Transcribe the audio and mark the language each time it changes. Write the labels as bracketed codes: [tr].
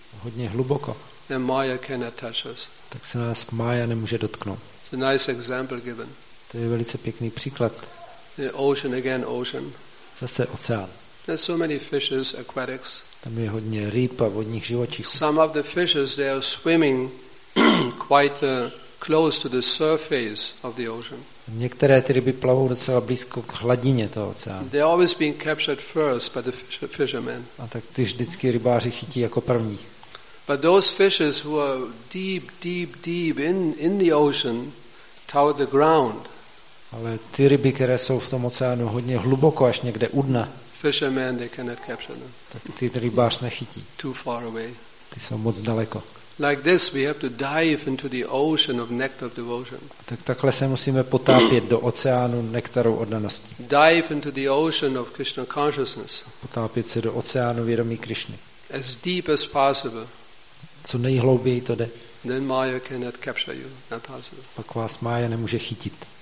[cs] Hodně hluboko. [en] Then Maya cannot touch us. [cs] Tak se nás Maya nemůže dotknout. [en] It's a nice example given. [cs] To je velice pěkný příklad. [en] The ocean again, ocean. [cs] Zase oceán. [en] There's so many fishes, aquatics. [cs] Tam je hodně ryb a vodních živočichů. [en] Some of the fishes they are swimming quite close to the surface of the ocean. [cs] Některé ty ryby plavou docela blízko k hladině toho oceánu. [en] They are always being captured first by the fishermen. [cs] A tak ty vždycky rybáři chytí jako první. [en] But those fishes who are deep in the ocean toward the ground. [cs] Ale ty ryby, které jsou v tom oceánu hodně hluboko, až někde u dna, [en] fishermen, they cannot capture them. [cs] Tak ty rybář nechytí. [en] Too far away. [cs] Ty jsou moc daleko. [en] Like this we have to dive into the ocean of nectar of devotion. [cs] Tak takhle se musíme potápět do oceánu nektaru oddanosti. [en] Dive into the ocean of Krishna consciousness. [cs] Potápět se do oceánu vědomí Krišny. [en] As deep as possible. [cs] Co nejhlouběji to jde. [en] Then Maya cannot capture you. Not possible. [cs] Pak vás Maya nemůže chytit.